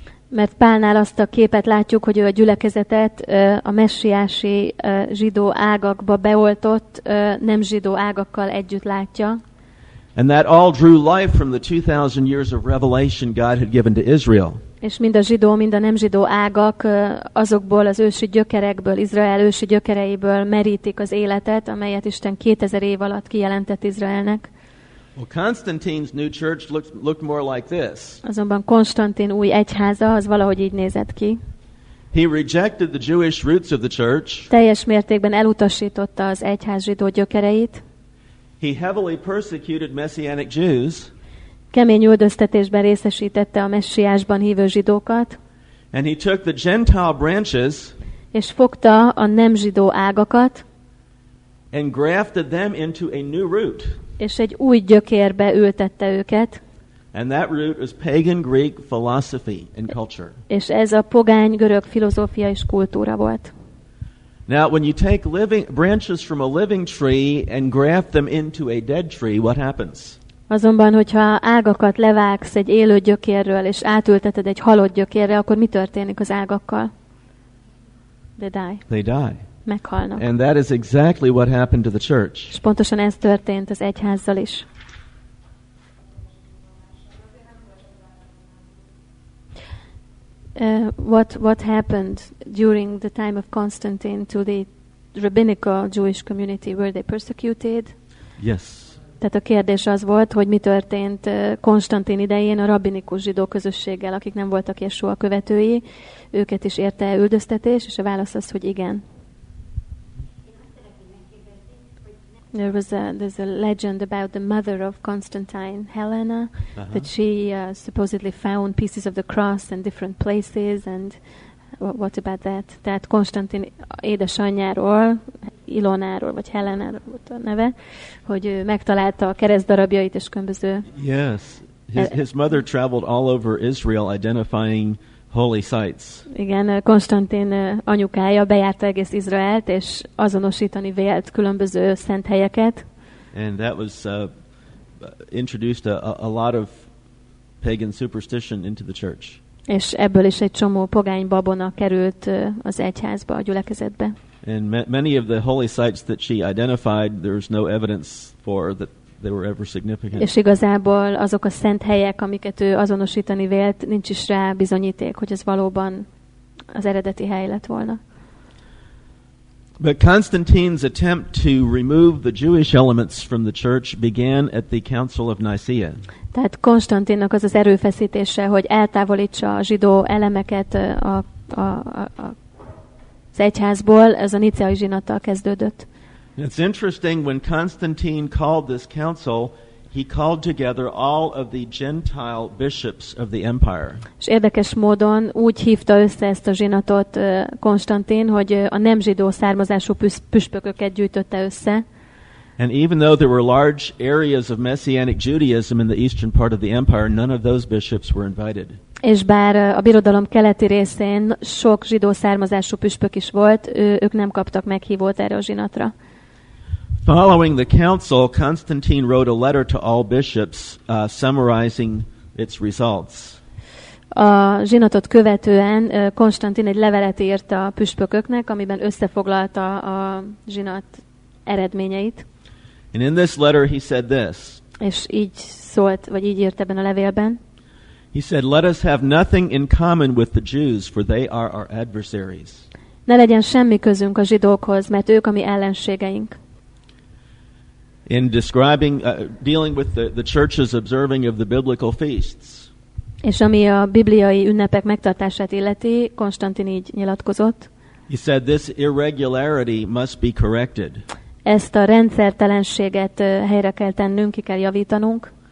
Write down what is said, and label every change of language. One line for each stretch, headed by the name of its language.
Hungarian: Mert Pálnál azt a képet látjuk, hogy ő a gyülekezetet a messiási zsidó ágakba beoltott, nem zsidó ágakkal együtt látja.
English: And that all drew life from the 2000 years of revelation God had given to Israel.
Hungarian: És mind a zsidó, mind a nem zsidó ágak azokból az ősi gyökerekből, Izrael ősi gyökereiből merítik az életet, amelyet Isten 2000 év alatt kijelentett Izraelnek.
English: Well, Constantine's new church looked more like this.
Hungarian: Azonban Konstantin új egyháza az valahogy így nézett ki.
English: He rejected the Jewish roots of the church.
Hungarian: Teljes mértékben elutasította az egyház zsidó gyökereit.
English: He heavily persecuted messianic Jews.
Hungarian: Kemény üldöztetésben részesítette a messiásban hívő zsidókat.
English: And he took the Gentile branches.
Hungarian: És fogta a nem zsidó ágakat.
English: And grafted them into a new root.
Hungarian: És egy új gyökérbe ültette őket.
English: And that root is pagan Greek philosophy and culture.
Hungarian: És ez a pogány görög filozófia és kultúra volt.
English: Now when you take living branches from a living tree and graft them into a dead tree, what happens?
Hungarian: Azonban, hogyha ágakat levágsz egy élő gyökérről és átülteted egy halott gyökérre, akkor mi történik az ágakkal?
English: They die. They die.
Hungarian: Meghalnak.
English: And that is exactly what happened to the church.
Hungarian: És pontosan ez történt az egyházzal is.
English: What happened during the time of Constantine to the rabbinical Jewish community? Were they persecuted? Yes.
Hungarian: Tehát a kérdés az volt, hogy mi történt Konstantin idején a rabbinikus zsidó közösséggel, akik nem voltak Jeshua követői, őket is érte üldöztetés, és a válasz az, hogy igen.
English: There was there's a legend about the mother of Constantine, Helena, that she supposedly found pieces of the cross in different places, and what about that?
Hungarian: Tehát Konstantin édesanyjáról, Ilonáról, vagy Helenáról volt a neve, hogy ő megtalálta a kereszt darabjait és különböző.
English: Yes, his mother traveled all over Israel identifying holy sites.
Hungarian: Igen, Konstantin anyukája bejárta egész Izraelt és azonosítani vélt különböző szent helyeket.
English: And that was introduced a lot of pagan superstition into the church.
Hungarian: És ebből is egy csomó pogány babona került az egyházba, a gyülekezetbe.
English: And many of the holy sites that she identified, there's no evidence for that they were ever significant.
Hungarian: És igazából azok a szent helyek, amiket ő azonosítani vélt, nincs is rá bizonyíték, hogy ez valóban az eredeti hely lett volna.
English: But Constantine's attempt to remove the Jewish elements from the church began at the Council of Nicaea.
Hungarian: Tehát Konstantinnak az az erőfeszítése, hogy eltávolítsa a zsidó elemeket az egyházból, ez a niceai zsinattal kezdődött.
English: It's interesting, when Constantine called this council, he called together all of the Gentile bishops of the empire.
Hungarian: És érdekes módon úgy hívta össze ezt a zsinatot Konstantin, hogy a nem zsidó származású püspököket gyűjtötte össze.
English: And even though there were large areas of messianic Judaism in the eastern part of the empire, none of those bishops were invited.
Hungarian: És bár a birodalom keleti részén sok zsidó származású püspök is volt, ők nem kaptak meghívót erre a zsinatra.
English: Following the council, Constantine wrote a letter to all bishops summarizing its results.
Hungarian: A zsinatot követően Konstantin egy levelet írt a püspököknek, amiben összefoglalta a zsinat eredményeit.
English: And in this letter he said this.
Hungarian: És így szólt, vagy így írt ebben a levélben.
English: He said, "Let us have nothing in common with the Jews, for they are our adversaries."
Hungarian: Ne legyen semmi közünk a zsidókhoz, mert ők a mi ellenségeink.
English: In describing, dealing with the church's observing of the biblical feasts.
Hungarian: És ami a bibliai ünnepek megtartását illeti, Konstantin így nyilatkozott.
English: He said this irregularity must be corrected.
Hungarian: Ezt a rendszertelenséget helyre kell tennünk, ki kell javítanunk.